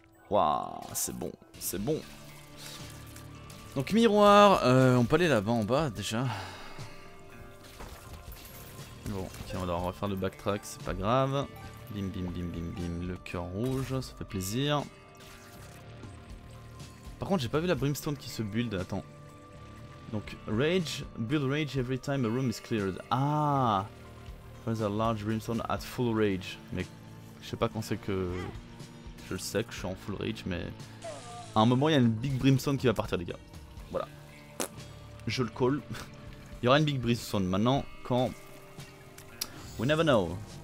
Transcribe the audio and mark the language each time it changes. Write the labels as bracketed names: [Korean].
[French] Wouah, c'est bon. C'est bon. Donc miroir. On peut aller là-bas en bas déjà. Bon, ok, on va devoir refaire le backtrack, c'est pas grave. Bim bim bim bim bim, le cœur rouge, ça fait plaisir. Par contre, j'ai pas vu la brimstone qui se build, attends. Donc, rage, [English] build rage every time a room is cleared. [French] Ah! [English] There's a large brimstone at full rage. [French] Mais je sais pas quand c'est que. Je le sais que je suis en full rage, mais. À un moment, il y a une big brimstone qui va partir, les gars. Voilà. Je le call. Il y aura une big brimstone maintenant quand. [English] We never know.